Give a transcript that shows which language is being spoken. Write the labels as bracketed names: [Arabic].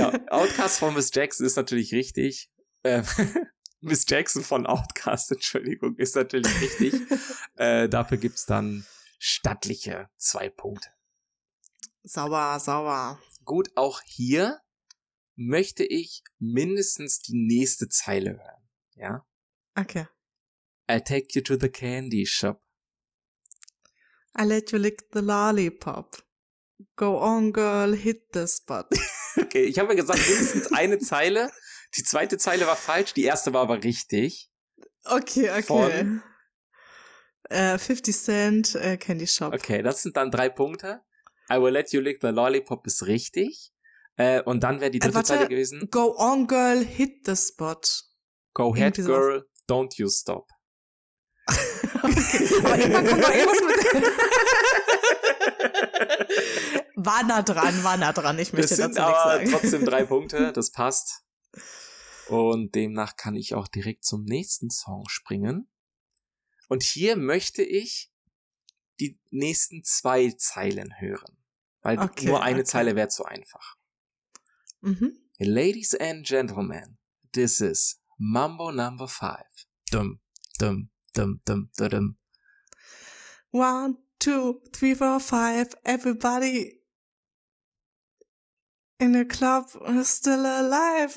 [German] Outkast von Miss Jackson ist natürlich richtig. Miss Jackson von Outkast, Entschuldigung, ist natürlich richtig. Dafür gibt's dann stattliche 2 Punkte. Sauber. Gut, auch hier möchte ich mindestens die nächste Zeile hören. Ja? Okay. [English] I'll take you to the candy shop. I let you lick the lollipop. Go on, girl, hit the spot. [German] Okay, ich habe ja gesagt, mindestens eine Zeile. Die zweite Zeile war falsch, die erste war aber richtig. Okay. Von 50 Cent, Candy Shop. Okay, das sind dann 3 Punkte. [English] I will let you lick the lollipop [German] ist richtig. Und dann wäre die dritte Zeile gewesen. [English] Go on, girl, hit the spot. Go ahead, girl, don't you stop. [German] Okay, aber irgendwann kommt irgendwas mit. War nah dran, ich möchte dazu nichts sagen. Das sind aber trotzdem 3 Punkte, das passt. Und demnach kann ich auch direkt zum nächsten Song springen. Und hier möchte ich die nächsten 2 Zeilen hören. Weil nur eine Zeile wäre zu einfach. Mhm. [English] Ladies and gentlemen, this is Mambo Number 5. Dum, dum, dum, dum, dum, dum. 1, 2, 3, 4, 5. Everybody in the club is still alive.